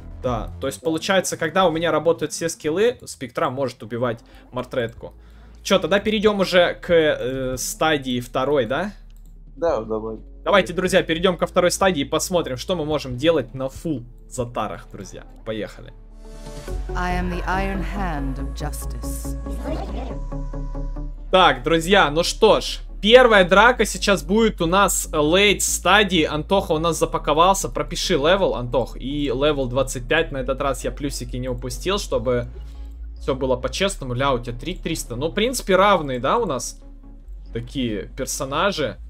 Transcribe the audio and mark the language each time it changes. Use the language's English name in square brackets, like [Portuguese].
[Russian] Да, то есть получается, когда у меня работают все скиллы, спектра может убивать Мартретку. Че, тогда перейдем уже к стадии второй, да? Да, давай. Давайте, друзья, перейдем ко второй стадии и посмотрим, что мы можем делать на фул затарах, друзья. Поехали. [English] I am the Iron Hand of Justice. [Russian] Так, друзья, ну что ж, первая драка сейчас будет у нас late стадии. Антоха у нас запаковался. Пропиши левел, Антох. И левел 25. На этот раз я плюсики не упустил, чтобы все было по-честному. Ля, у тебя 3300. Ну, в принципе, равные, да, у нас такие персонажи.